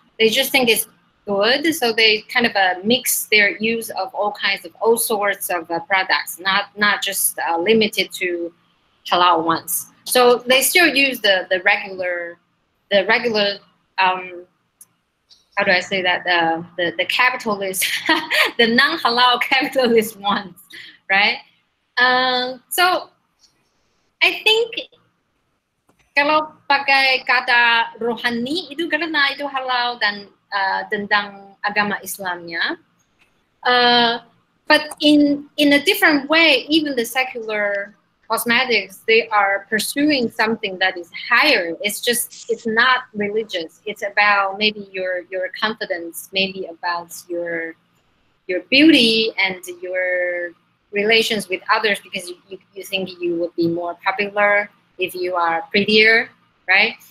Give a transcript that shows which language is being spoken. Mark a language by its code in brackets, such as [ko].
[en] They just think it's good, so they kind of mix their use of all kinds of all sorts of products, not just limited to halal ones. So they still use the regular. How do I say that? The capitalist, the non-halal capitalist ones, right? So I think [id] kalau pakai kata rohani itu karena itu halal dan tentang agama Islamnya. [en] But in a different way, even the secular cosmetics, they are pursuing something that is higher. It's just, it's not religious. It's about maybe your confidence, maybe about your beauty and your relations with others, because you think you would be more popular if you are prettier, right?